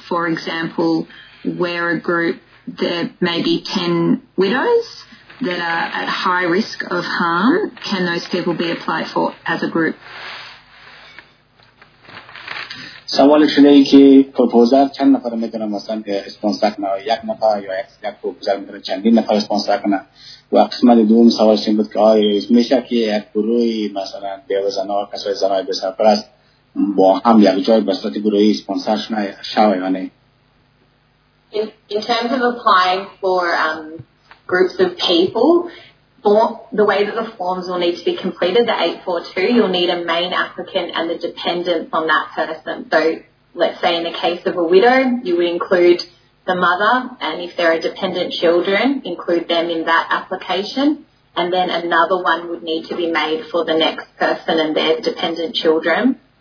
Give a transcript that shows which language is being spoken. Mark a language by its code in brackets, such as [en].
[en] For example, where a group, there may be 10 widows that are at high risk of harm, can those people be applied for as a group? [fa] سوالش اینه که پروپوزر چند نفر میتونه مثلا اسپانسر کنه، یک نفر یا یک پروپوزر میتونه چندین نفر اسپانسر کنه. و قسمت دوم سوالش این بود که آیا میشه که یک گروهی مثلا بیوه زنها و کسای زنهای بسرپرست با هم یک جای به صورت گروهی اسپانسر شنه شوه یا نه؟ [en] In terms of applying for groups of people, the way that the forms will need to be completed, the 842, you'll need a main applicant and the dependents on that person. So let's say in the case of a widow, you would include the mother, and if there are dependent children, include them in that application, and then another one would need to be made for the next person and their dependent children.